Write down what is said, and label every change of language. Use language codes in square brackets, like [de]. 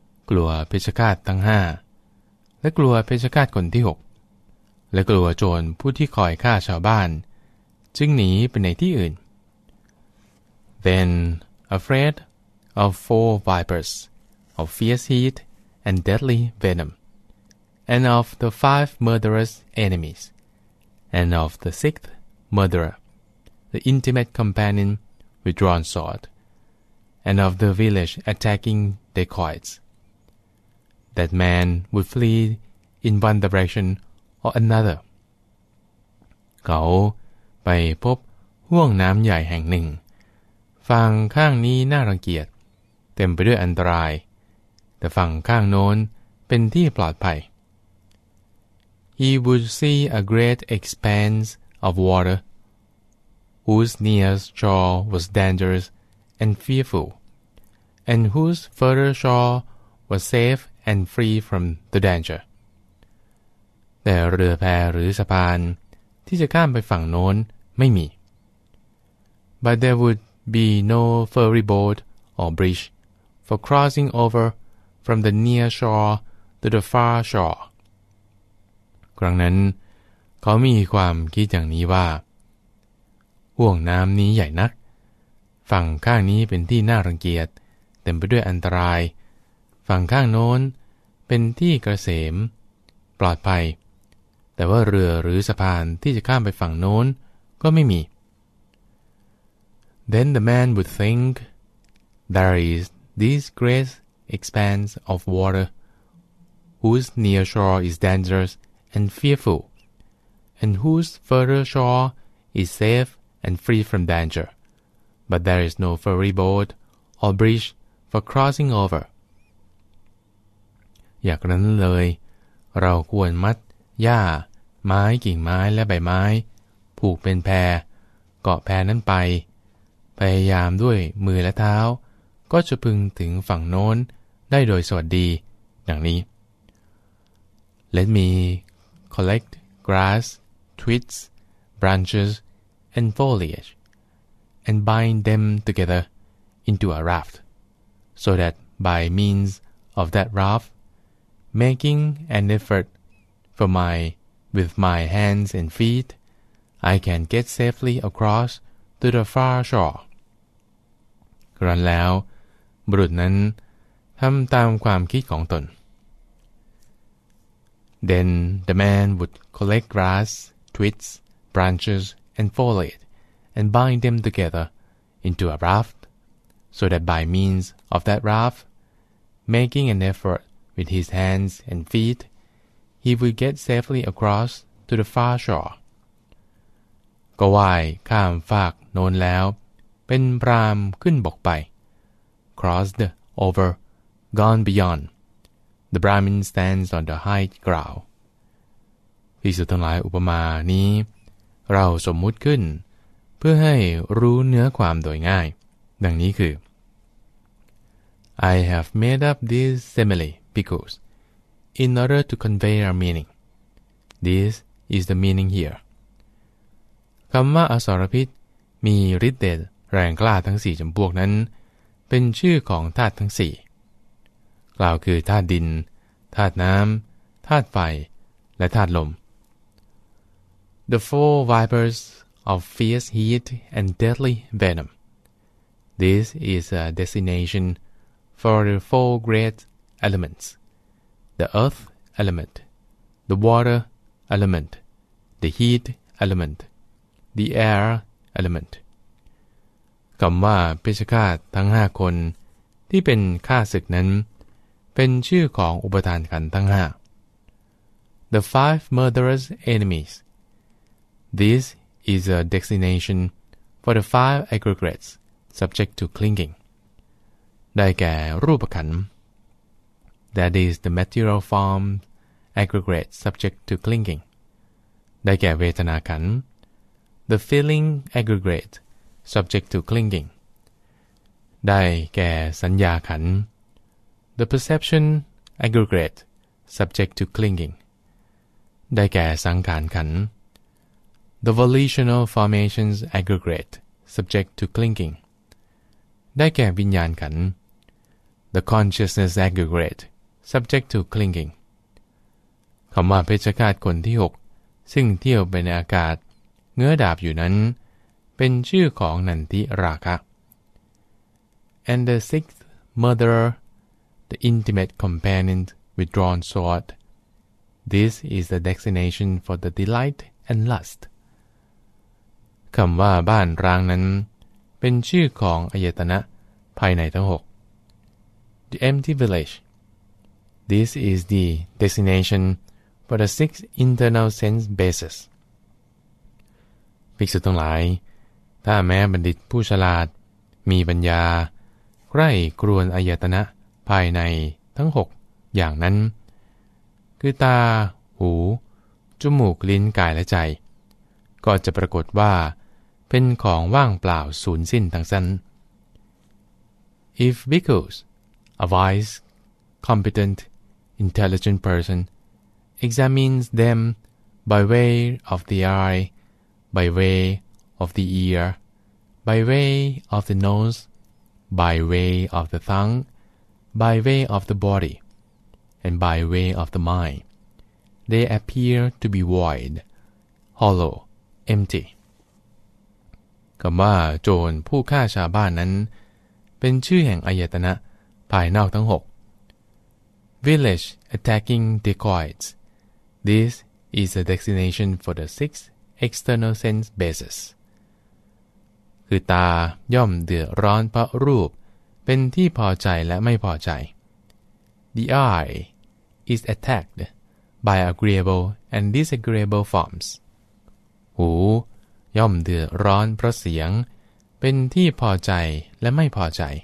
[th] กลัวเพชฌฆาตทั้ง5และกลัวเพชฌฆาตคนที่6และกลัวโจรผู้ที่คอยฆ่าชาวบ้านจึงหนีไปในที่อื่น [en] Then afraid of four vipers of fierce heat and deadly venom and of the five murderous enemies and of the sixth murderer. The intimate companion with drawn sword, and of the village attacking dacoits. That man would flee in one direction or another. [th] เขาไปพบห้วงน้ำใหญ่แห่งหนึ่งฝั่งข้างนี้น่ารังเกียจเต็มไปด้วยอันตรายแต่ฝั่งข้างโน้นเป็นที่ปลอดภัย [en] He would see a great expanse of waterWhose near shore was dangerous and fearful, and whose further shore was safe and free from the danger. [th] แต่เรือแพหรือสะพานที่จะข้ามไปฝั่งโน้นไม่มี [en] But there would be no ferry boat or bridge for crossing over from the near shore to the far shore. [th] ครั้งนั้นเขามีความคิดอย่างนี้ว่าห่วงน้ำนี้ใหญ่นักฝั่งข้างนี้เป็นที่น่ารังเกียจเต็มไปด้วยอันตรายฝั่งข้างโน้นเป็นที่เกษมปลอดภัยแต่ว่าเรือหรือสะพานที่จะข้ามไปฝั่งโน้นก็ไม่มี [en] Then the man would think there is this great expanse of water whose near shore is dangerous and fearful and whose further shore is safeand free from danger. But there is no ferry boat or bridge for crossing over. [th] อย่างนั้นเลยเราควรมัดหญ้าไม้กิ่งไม้และใบไม้ผูกเป็นแพเกาะแพนั้นไปพยายามด้วยมือและเท้าก็จะพึงถึงฝั่งโน้นได้โดยสวัสดีดังนี้ [en] Let me collect grass, twigs, branchesand foliage, and bind them together into a raft, so that by means of that rough, making an effort for my, with my hands and feet, I can get safely across to the far shore. [th] ครั้นแล้วบุรุษนั้นทำตามความคิดของตน [en] Then the man would collect grass, twigs, branches, and foliage, and bind them together into a raft, so that by means of that raft, making an effort with his hands and feet, he would get safely across to the far shore. [th] ก็ว่ายข้ามฝากโน้นแล้วเป็นพรามขึ้นบกไป [en] crossed over, gone beyond. The Brahmin stands on the high ground. [th] ภิกษุทั้งหลายอุปมานี้เราสมมุติขึ้นเพื่อให้รู้เนื้อความโดยง่ายดังนี้คือ [en] I have made up this simile because in order to convey our meaning, this is the meaning here. [th] คำว่าอสรพิษมีฤทธิ์เดชแรงกล้าทั้งสี่จำพวกนั้นเป็นชื่อของธาตุทั้งสี่กล่าวคือธาตุดินธาตุน้ำธาตุไฟและธาตุลม [en] The four vipers of fierce heat and deadly venom. This is a designation for the four great elements. The earth element, the water element, the heat element, the air element. [th] คำว่าเพชฌฆาตทั้ง5คนที่เป็นข้าศึกนั้นเป็นชื่อของอุปทานขันธ์ทั้ง5 [en] The five murderous enemies. This is a designation for the five aggregates subject to clinging. [th] ได้แก่รูปขันธ์ [en] That is the material form aggregate subject to clinging. [th] ได้แก่เวทนาขันธ์ [en] The feeling aggregateSubject to clinging. [th] ได้แก่สัญญาขันธ์ [en] The perception aggregate subject to clinging. [th] ได้แก่สังขารขันธ์ [en] The volitional formations aggregate subject to clinging. [th] ได้แก่วิญญาณขันธ์ [en] The consciousness aggregate subject to clinging. [th] คำว่าเพชฌฆาตคนที่6ซึ่งเที่ยวไปในอากาศเงื้อดาบอยู่นั้นเป็นชื่อของนันทิราคะ [en] And the sixth murderer, the intimate companion with drawn sword. This is the designation for the delight and lust. [th] คำว่าบ้านร้างนั้นเป็นชื่อของอายตนะภายในทั้ง6 [en] The empty village. This is the designation for the six internal sense bases. [th] ภิกษุทั้งหลายถ้าแม้บัณฑิตผู้ฉลาดมีปัญญาใคร่ครวญอายตนะภายในทั้ง6อย่างนั้นคือตาหูจมูกลิ้นกายและใจก็จะปรากฏว่าเป็นของว่างเปล่าสูญสิ้นทั้งสิ้น [en] If bhikkhus, a wise, competent, intelligent person, examines them by way of the eye, by wayOf the ear, by way of the nose, by way of the tongue, by way of the body, and by way of the mind, they appear to be void, hollow, empty. [th] คำว่าโจรผู้ฆ่าชาวบ้านนั้นเป็นชื่อแห่งอายตนะภายนอกทั้ง6 [en] Village attacking dacoits. This is a designation for the six external sense bases. [th] คือตาย่อมเดือดร้อนเพราะรูปเป็นที่พอใจและไม่พอใจ [en] The eye is attacked by agreeable and disagreeable forms. [th] หูย่อมเดือดร้อนเพราะเสียงเป็นที่พอใจและไม่พอใจ